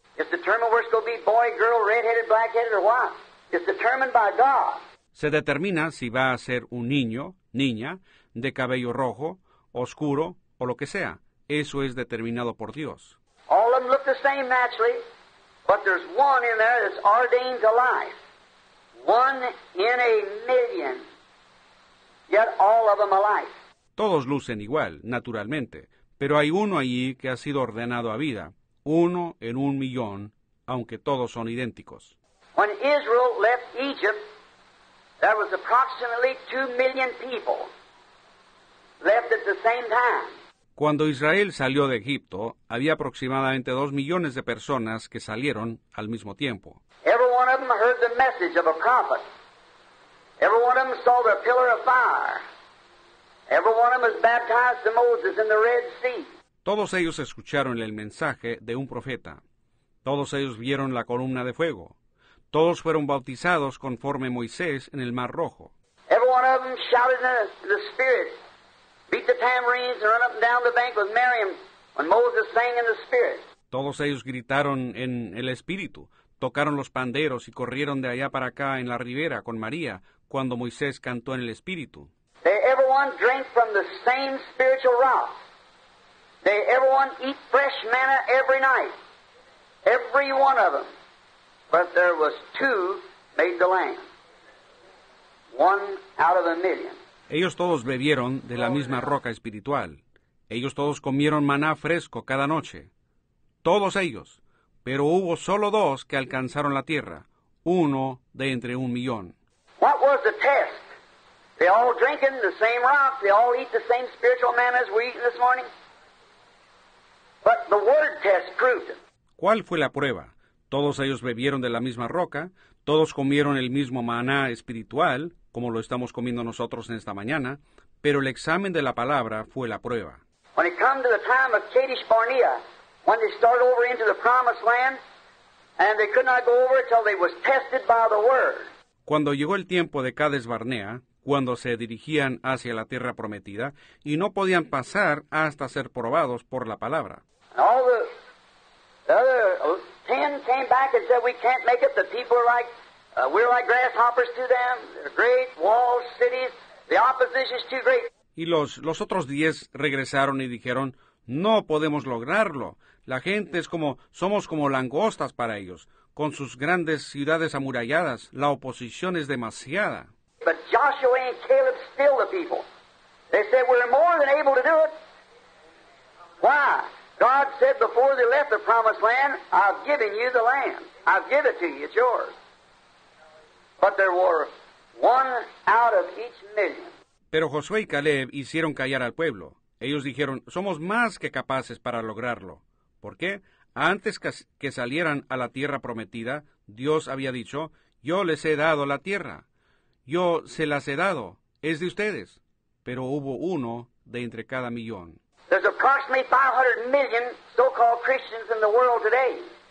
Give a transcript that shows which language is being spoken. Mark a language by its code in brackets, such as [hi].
[en] It's determined where it's going to be boy, girl, red-headed, black-headed, or what. It's determined by God. [es] Se determina si va a ser un niño, niña, de cabello rojo, oscuro o lo que sea. Eso es determinado por Dios. [en] All of them look the same naturally, but there's one in there that's ordained to life. One in a million. Yet all of them alive. [es] Todos lucen igual, naturalmente, pero hay uno allí que ha sido ordenado a vida. Uno en un millón, aunque todos son idénticos. [en] When Israel left Egypt, there was approximately 2 million people left at the same time. [es] Cuando Israel salió de Egipto, había aproximadamente 2 millones de personas que salieron al mismo tiempo. [en] Every one of them heard the message of a prophet. Every one of them saw the pillar of fire. Every one of them was baptized to Moses in the Red Sea. [es] Todos ellos escucharon el mensaje de un profeta. Todos ellos vieron la columna de fuego. Todos fueron bautizados conforme Moisés en el Mar Rojo. [en] Every one of them shouted in the Spirit. Beat the tambourines and run up and down the bank with Miriam when Moses sang in the Spirit. [es] Todos ellos gritaron en el Espíritu, tocaron los panderos y corrieron de allá para acá en la ribera con María cuando Moisés cantó en el Espíritu. [en] They everyone drank from the same spiritual rock. They everyone eat fresh manna every night. Every one of them. But there was two made the land. One out of a million. [es] Ellos todos bebieron de la misma roca espiritual. Ellos todos comieron maná fresco cada noche. Todos ellos. Pero hubo solo dos que alcanzaron la tierra. Uno de entre 1 millón. [en] What was the test? They all drinking the same rock. They all eat the same spiritual manna as we're eating this morning. But the word test proved it. [es] ¿Cuál fue la prueba? Todos ellos bebieron de la misma roca. Todos comieron el mismo maná espiritual, como lo estamos comiendo nosotros en esta mañana, pero el examen de la palabra fue la prueba. [en] When it come to the time of Kadesh Barnea, when they started over into the promised land, and they could not go over till they was tested by the word. [es] Cuando llegó el tiempo de Kadesh Barnea, cuando se dirigían hacia la tierra prometida, y no podían pasar hasta ser probados por la palabra. [en] And all the other 10 came back and said, we can't make it, the people are like, we're like grasshoppers to them. They're great walls, cities. The opposition is too great. [es] Y los otros 10 regresaron y dijeron, no podemos lograrlo. La gente es como, somos como langostas para ellos. Con sus grandes ciudades amuralladas, la oposición es demasiada. [en] But Joshua and Caleb stilled the people. They said, we're more than able to do it. Why? God said before they left the promised land, I've given you the land. I've given it to you. It's yours. But there were one out of each million. [es] Pero Josué y Caleb hicieron callar al pueblo. Ellos dijeron, somos más que capaces para lograrlo. ¿Por qué? Antes que salieran a la tierra prometida, Dios había dicho, yo les he dado la tierra. Yo se las he dado. Es de ustedes. Pero hubo uno de entre cada millón. [en] There's approximately 500 million so-called Christians in the world today.